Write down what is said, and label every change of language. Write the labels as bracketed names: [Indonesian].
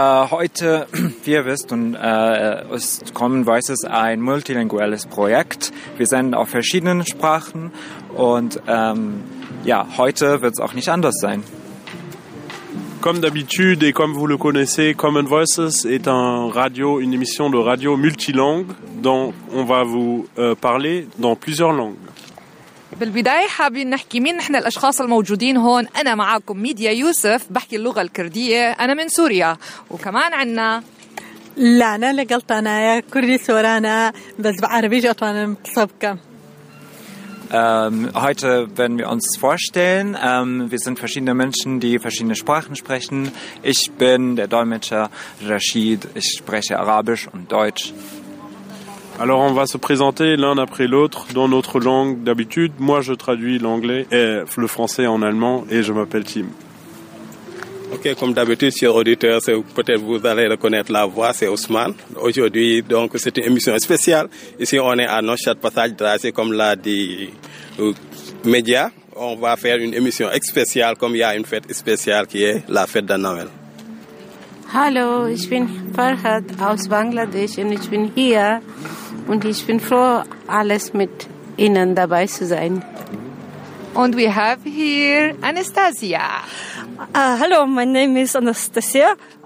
[German] Wie ihr wisst, ist Common Voices ein multilinguelles Projekt. Wir senden auf verschiedenen Sprachen und heute wird es auch nicht anders sein. [French] Comme d'habitude et comme vous le connaissez, Common Voices est un radio, une émission de radio multilingue dont on va vous parler dans plusieurs langues. [Arabic] بالبداية حابين نحكي مين نحن الأشخاص الموجودين هون أنا معاكم ميديا يوسف بحكي اللغة الكردية أنا من سوريا وكمان عنا لانا لقلطانا يا كردي سورانا بس بعربي جوتوانا متصبكة [German] Heute werden wir uns vorstellen. Wir sind verschiedene Menschen, die verschiedene Sprachen sprechen. Ich bin der Dolmetscher Rashid. Ich spreche Arabisch und Deutsch. [French] Alors on va se présenter l'un après l'autre dans notre langue d'habitude. Moi je traduis l'anglais et le français en allemand et je m'appelle Tim. Ok, comme d'habitude, chers auditeurs, peut-être vous allez reconnaître la voix, c'est Ousmane. Aujourd'hui, donc, c'est une émission spéciale. Ici, on est à Neustadt Passage Dracé, comme l'a dit le média. On va faire une émission spéciale, comme il y a une fête spéciale qui est la fête de Noël. [German] Hallo, ich bin Farhad aus Bangladesch und ich bin hier und ich bin froh, alles mit Ihnen dabei zu sein. [English] Und we have here Anastasia. [German] Hallo, mein Name ist Anastasia.